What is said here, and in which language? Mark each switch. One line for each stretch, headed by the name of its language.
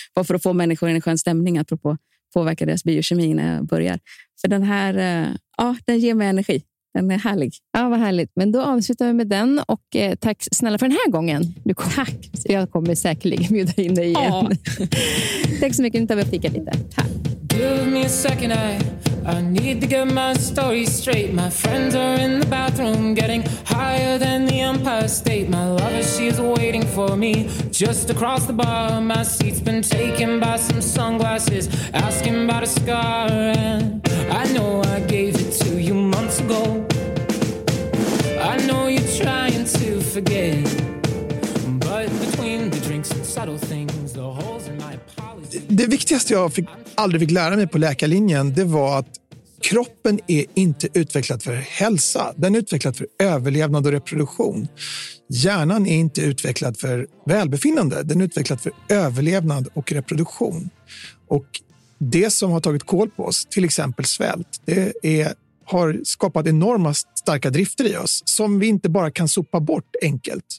Swedish: Bara för att få människor i en skön stämning, apropå påverka deras biokemi när jag börjar. För den här, den ger mig energi. Den är härlig. Ja, vad härligt. Men då avslutar vi med den. Och tack snälla för den här gången. Du kom. Tack. Jag kommer säkerligen bjuda in dig igen. Tack så mycket. Nu tar vi och fika lite. Tack.
English: Give me a second, I need to get my story straight. My friends are in the bathroom getting higher than the Empire State. My lover, she's waiting for me just across the bar. My seat's been taken by some sunglasses asking about a scar. And I know I gave it to you months ago. I know you're trying to forget, but between the drinks and subtle things, the holes in my apologies.
Swedish: Det viktigaste jag aldrig fick lära mig på läkarlinjen, det var att kroppen är inte utvecklad för hälsa. Den är utvecklad för överlevnad och reproduktion. Hjärnan är inte utvecklad för välbefinnande. Den är utvecklad för överlevnad och reproduktion. Och det som har tagit koll på oss, till exempel svält, har skapat enorma starka drifter i oss som vi inte bara kan sopa bort enkelt.